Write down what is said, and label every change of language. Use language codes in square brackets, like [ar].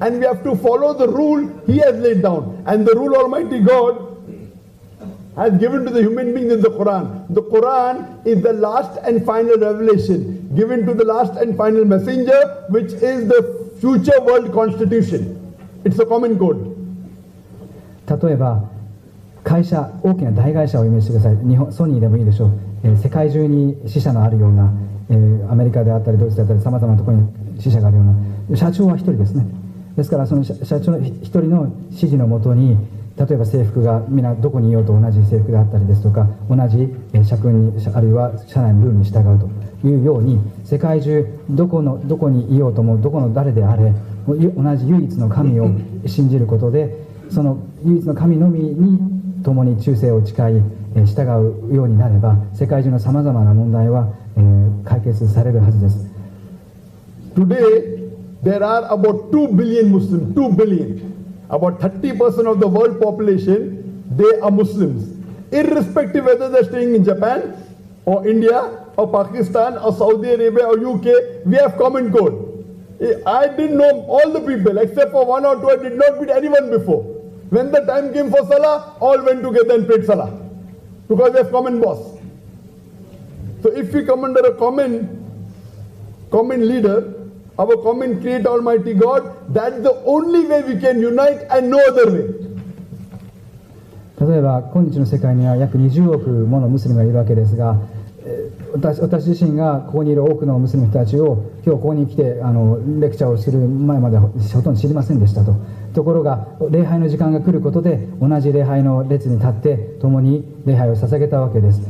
[en] And we have to follow the rule he has laid down. And the rule Almighty God has given to the human beings in the Quran. The Quran is the last and final revelation given to the last and final messenger, which is the future world constitution. It's a common code. [ja] 例えば会社、大きな大会社をイメージしてください。日本ソニーでもいいでしょう。世界中に支社のあるような、アメリカであったりドイツであったり、さまざまなところに支社があるような社長は一人ですね。ですからその 社長の一人の指示のもとに、例えば制服がみんなどこにいようと同じ制服であったりですとか、同じ社訓に、あるいは社内のルールに従うというように、世界中どこにいようとも、どこの誰であれ、同じ唯一の神を信じることで、その唯一の神のみに共に忠誠を誓い従うようになれば、世界中のさまざまな問題は解決されるはずです。 [en] Today there are about 2 billion Muslims, 2 billion about 30% of the world population, they are Muslims, irrespective whether they're staying in Japan or India or Pakistan or Saudi Arabia or UK, we have common code. I didn't know all the people except for one or two. I did not meet anyone before. When the time came for Salah, all went together and prayed Salah because they have common boss. So if we come under a common leader, our common creator, Almighty God, that's the only way we can unite and no other way. [ja] 例えば今日の世界には約20億ものムスリムがいるわけですが、私自身がここにいる多くのムスリム人たちを今日ここに来てレクチャーをする前までほとんど知りませんでしたと。ところが礼拝の時間が来ることで、同じ礼拝の列に立って共に礼拝を捧げたわけです。